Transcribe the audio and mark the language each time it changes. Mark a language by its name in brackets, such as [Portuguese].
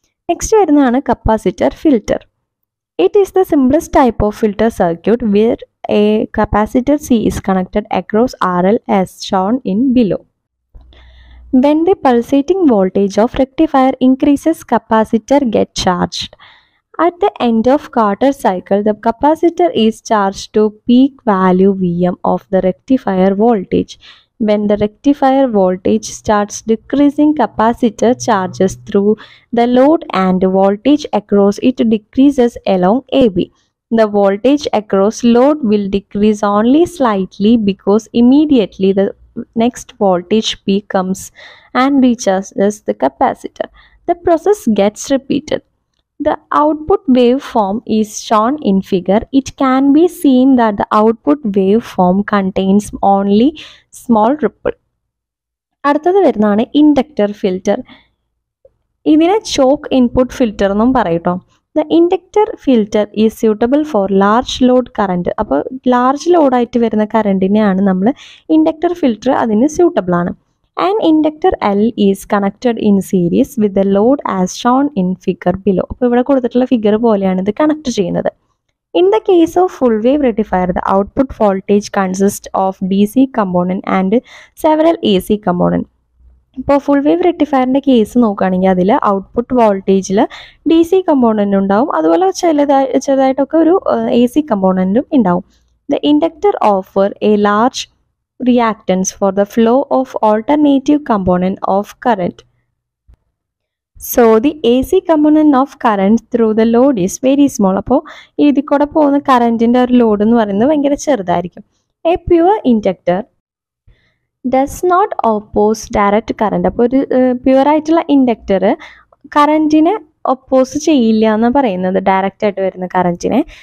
[Malayalam] Next വരുന്നതാണ് capacitor filter. [English] It is the simplest type of filter circuit where a capacitor C is connected across R L as shown in below. When the pulsating voltage of rectifier increases capacitor get charged. At the end of Carter cycle, the capacitor is charged to peak value Vm of the rectifier voltage. When the rectifier voltage starts decreasing, capacitor charges through the load and voltage across it decreases along AB. The voltage across load will decrease only slightly because immediately the next voltage peak comes and recharges the capacitor. The process gets repeated. The output waveform is shown in figure. It can be seen that the output waveform contains only small ripple. [Malayalam] അടുത്തത് വരുന്നതാണ് inductor filter. ഇതിനെ chalk input filter എന്നും പറയട്ടോ. [English] The inductor filter is suitable for large load current. [Malayalam] അപ്പോൾ large ലോഡായിട്ട് വരുന്ന കറൻറ്റിനെയാണ് നമ്മൾ inductor filter, അതിന് suitable ആണ്. [English] An inductor L is connected in series with the load as shown in figure below. [Malayalam] അപ്പോൾ ഇവിടെ കൊടുത്തിട്ടുള്ള ഫിഗർ പോലെയാണ് ഇത് കണക്ട് ചെയ്യുന്നത്. [English] In the case of full wave rectifier the output voltage consist of D C component and several A C component. [Malayalam] ഇപ്പോൾ full wave റെക്ടിഫയറിൻ്റെ case നോക്കുകയാണെങ്കിൽ അതിൽ output വോൾട്ടേജിൽ ഡി സി കമ്പോണൻറ്റ് ഉണ്ടാവും, അതുപോലെ ചെറുതായിട്ടൊക്കെ ഒരു എ സി കമ്പോണൻറ്റും ഉണ്ടാവും. [English] The inductor offer a large reactance for the flow of alternative component of current. So the AC component of current through the load is very small. [Malayalam] അപ്പോൾ ഇതിൽ കൂടെ പോകുന്ന കറൻറ്റിൻ്റെ ഒരു ലോഡ് എന്ന് പറയുന്നത് ഭയങ്കര ചെറുതായിരിക്കും. [English] A pure inductor does not oppose direct current. [Malayalam] അപ്പോൾ ഒരു പ്യുവർ ആയിട്ടുള്ള ഇൻഡക്ടർ കറൻറ്റിനെ ഒപ്പോസ് ചെയ്യില്ല എന്നാണ് പറയുന്നത്, ഡയറക്റ്റ് ആയിട്ട് വരുന്ന കറൻറ്റിനെ.